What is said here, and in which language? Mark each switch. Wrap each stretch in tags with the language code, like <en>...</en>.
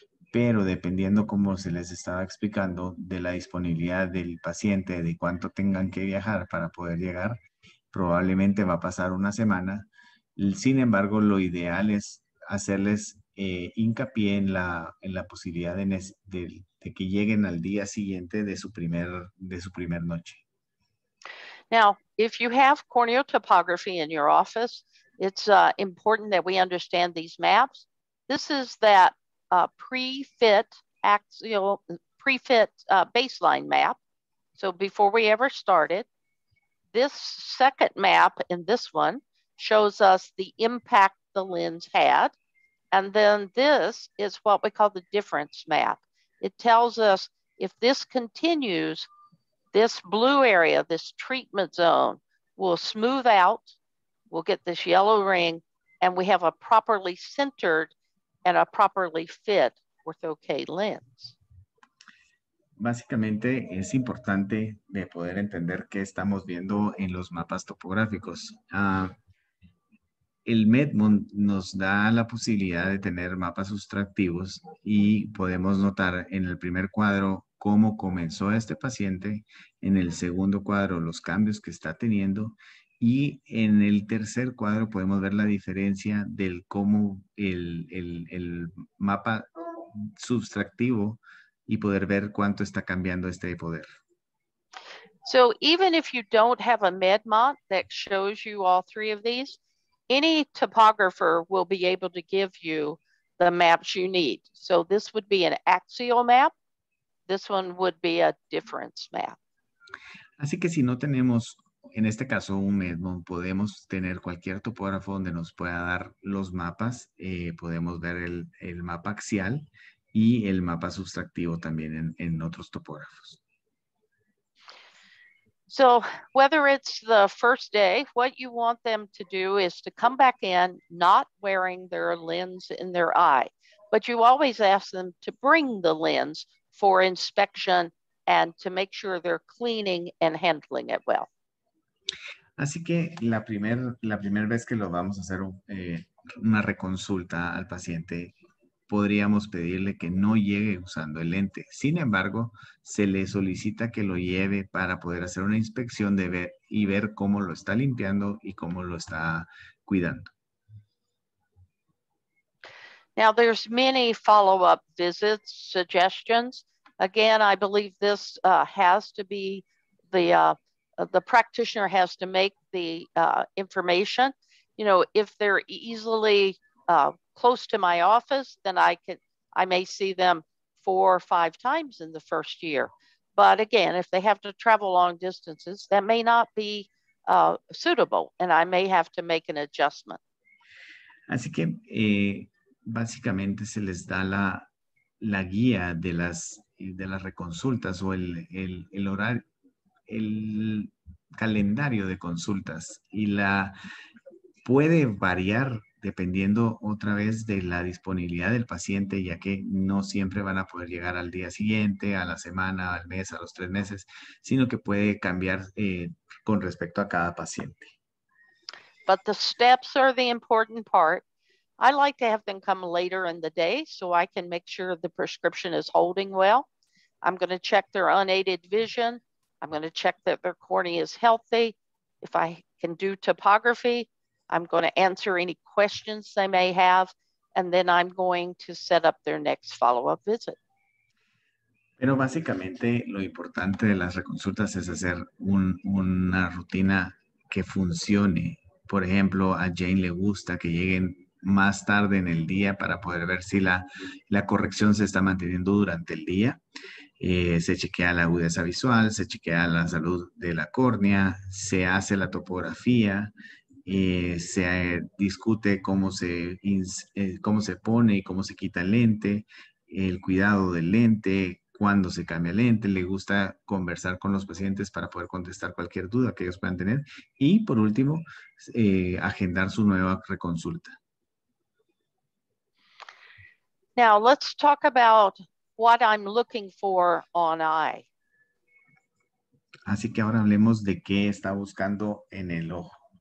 <es>Pero dependiendo como se les estaba explicando de la disponibilidad del paciente, de cuánto tengan que viajar para poder llegar, probablemente va a pasar una semana. Sin embargo, lo ideal es hacerles hincapié en la posibilidad de que lleguen al día siguiente de su primer noche.</es> <en>Now, if you have corneal topography in your office, it's important that we understand these maps. This is that pre-fit baseline map. So before we ever started, this second map in this one shows us the impact the lens had. And then this is what we call the difference map. It tells us if this continues, this blue area, this treatment zone, will smooth out, we'll get this yellow ring, and we have a properly centered and a properly fit ortho-K lens.</en> <es>Básicamente es importante de poder entender qué estamos viendo en los mapas topográficos. El MedMond nos da la posibilidad de tener mapas sustractivos y podemos notar en el primer cuadro cómo comenzó este paciente, en el segundo cuadro los cambios que está teniendo y en el tercer cuadro podemos ver la diferencia del cómo el mapa sustractivo y poder ver cuánto está cambiando este poder.</es> <en>So even if you don't have a MedMond that shows you all three of these, any topographer will be able to give you the maps you need. So this would be an axial map. This one would be a difference map.</en> <es>Así que si no tenemos, en este caso, un MedMond, podemos tener cualquier topógrafo donde nos pueda dar los mapas. Podemos ver el mapa axial y el mapa sustractivo también en otros topógrafos.</es> <en>So whether it's the first day, what you want them to do is to come back in not wearing their lens in their eye. But you always ask them to bring the lens for inspection and to make sure they're cleaning and handling it well.</en> <es>Así que la primer vez que lo vamos a hacer una reconsulta al paciente, podríamos pedirle que no llegue usando el lente. Sin embargo, se le solicita que lo lleve para poder hacer una inspección de ver y ver cómo lo está limpiando y cómo lo está cuidando.</es> <en>Now, there's many follow-up visits, suggestions. Again, I believe this has to be the practitioner has to make the information. You know, if they're easily close to my office, then I may see them 4 or 5 times in the first year. But again, if they have to travel long distances, that may not be suitable, and I may have to make an adjustment.</en> <es>Así que básicamente se les da la guía de las reconsultas o el horario, el calendario de consultas y la puede variar dependiendo otra vez de la disponibilidad del paciente, ya que no siempre van a poder llegar al día siguiente, a la semana, al mes, a los 3 meses, sino que puede cambiar con respecto a cada paciente.</es> <en>But the steps are the important part. I like to have them come later in the day so I can make sure the prescription is holding well. I'm going to check their unaided vision. I'm going to check that their cornea is healthy. If I can do topography, I'm going to answer any questions they may have, and then I'm going to set up their next follow-up visit.</en> <es>Pero básicamente lo importante de las reconsultas es hacer una rutina que funcione. Por ejemplo, a Jane le gusta que lleguen más tarde en el día para poder ver si la corrección se está manteniendo durante el día. Se chequea la agudeza visual, se chequea la salud de la córnea, se hace la topografía, se discute cómo se pone y cómo se quita el lente, el cuidado del lente, cuándo se cambia el lente. Le gusta conversar con los pacientes para poder contestar cualquier duda que ellos puedan tener. Y por último, agendar su nueva reconsulta.</es> <en>Now, let's talk about what I'm looking for on eye.</en> <es>Así que ahora hablemos de qué está buscando en el ojo.</es>